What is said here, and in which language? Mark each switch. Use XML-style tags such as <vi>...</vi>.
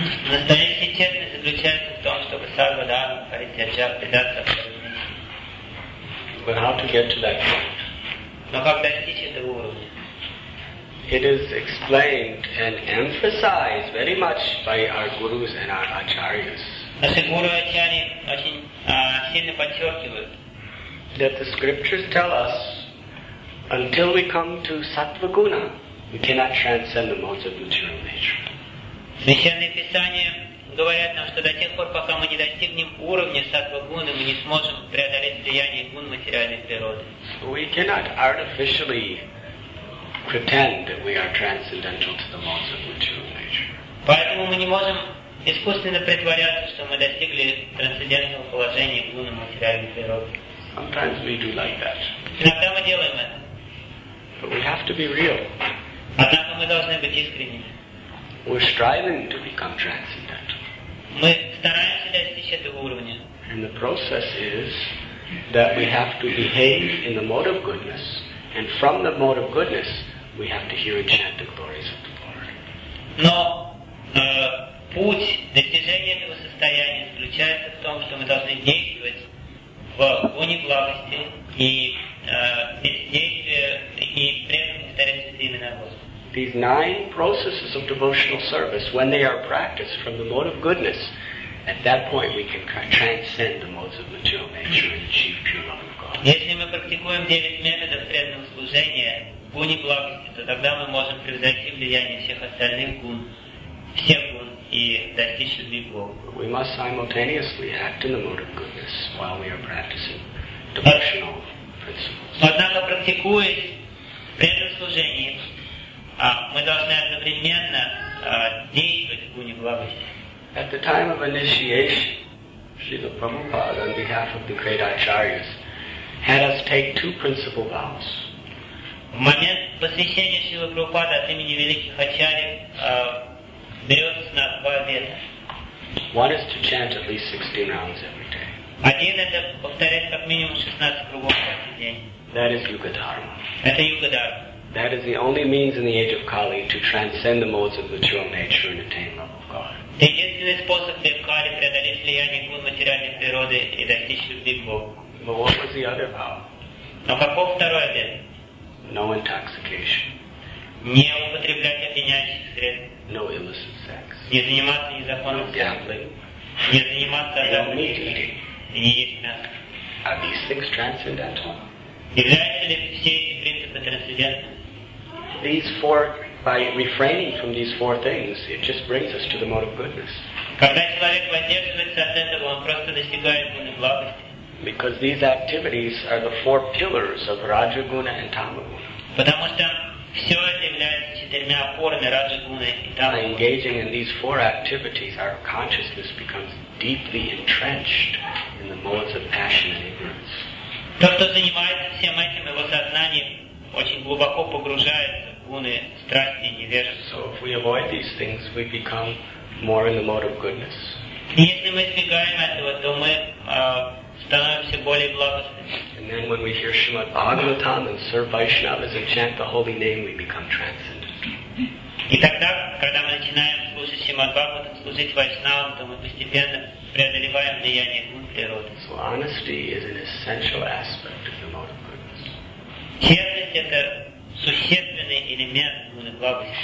<ru>Настоящая честность заключается в том, чтобы</ru> <sa>сарва-дхарма паритяджа</sa> <ru>предаться абсолютно.</ru> <en>But how to get to that point?</en> <ru>Но как достичь этого уровня?</ru> <en>It is explained and emphasized very much by our gurus and our acharyas.</en> <ru>Наши гуру и ачарьи очень сильно подчеркивают.</ru> <en>That the scriptures tell us until we come to sattva guna, we cannot transcend the modes of material nature.</en> <ru>Священные писания говорят нам, что до тех пор, пока мы не достигнем уровня сатва гуны, мы не сможем преодолеть влияние гун материальной природы.</ru> <en>We cannot artificially pretend that we are transcendental to the modes of material nature.</en> <ru>Поэтому мы не можем искусственно притворяться, что мы достигли трансцендентного положения гуна материальной природы.</ru> <en>Sometimes we do like that.</en> <ru>Иногда мы делаем это.</ru> <en>But we have to be real.</en> <ru>Однако мы должны быть искренними.</ru> <en>We're striving to become transcendent.</en> <ru>Мы стараемся достичь этого уровня.</ru> <en>And the process is that we have to behave in the mode of goodness, and from the mode of goodness, we have to hear and chant the glories of the Lord.</en> <ru>Но путь достижения этого состояния заключается в том, что мы должны действовать в гуне благости, и действия, и при этом повторять это имя Господа.</ru> <en>These nine processes of devotional service, when they are practiced from the mode of goodness, at that point we can transcend the modes of material nature and achieve pure love of God.</en> <ru>Если мы практикуем девять методов преданного служения в гуне благости, то тогда мы можем превзойти влияние всех остальных гун, всех гун, и достичь любви Бога.</ru> <en>We must simultaneously act in the mode of goodness while we are practicing devotional principles.</en> <ru>Однако, практикуя преданное служение, мы должны одновременно действовать в гуне благости.</ru> <en>At the time of initiation, Srila Prabhupada, on behalf of the great acharyas, had us take two principal vows.</en> <ru>В момент посвящения Шрилы Прабхупады от имени великих ачарьев берет с нас два обета.</ru> <en>One is to chant at least 16 rounds every day.</en> <ru>Один — это повторять как минимум 16 кругов каждый день.</ru> <en>That is Yuga Dharma.</en> <ru>Это Юга Дхарма.</ru> <en>That is the only means in the age of Kali to transcend the modes of material nature and attain love of God.</en> <ru>Единственный способ для Кали преодолеть влияние гун материальной природы и достичь любви к Богу.</ru> <en>But what was the other vow?</en> <ru>Но каков второй обет?</ru> <en>No intoxication.</en> <ru>Не употреблять опьяняющих средств.</ru> <en>No illicit sex.</en> <ru>Не заниматься незаконным.</ru> <en>No gambling.</en> <ru>Не заниматься азартом. И не есть мясо.</ru> <en>Are these things transcendental?</en> <ru>Являются ли все эти принципы трансцендентными?</ru> <en>These four, by refraining from these four things, it just brings us to the mode of goodness.</en> <ru>Когда человек воздерживается от этого, он просто достигает гуны благости.</ru> <en>Because these activities are the four pillars of Rajaguna and Tamaguna.</en> <ru>Потому что все это является четырьмя опорами Раджа-гуны и Тамагуны.</ru> <en>By engaging in these four activities, our consciousness becomes deeply entrenched in the modes of passion and ignorance.</en> <ru>Тот, кто занимается всем этим, его сознание очень глубоко погружается в гуны страсти и невежества.</ru> <en>So if we avoid these things, we become more in the mode of goodness.</en> <ru>Если мы избегаем этого, то мы становимся более благостными.</ru> <en>And then when we hear Srimad Bhagavatam and serve Vaishnavas and chant the holy name, we become transcendent.</en> <ru>И тогда, когда мы начинаем служить Шримад Бхагаватам, служить Вайшнавам, то мы постепенно преодолеваем влияние гун природы.</ru> <en>So honesty is an essential aspect of the mode of goodness.</en> <ru>Честность — это существенный элемент гуны благости.</ru>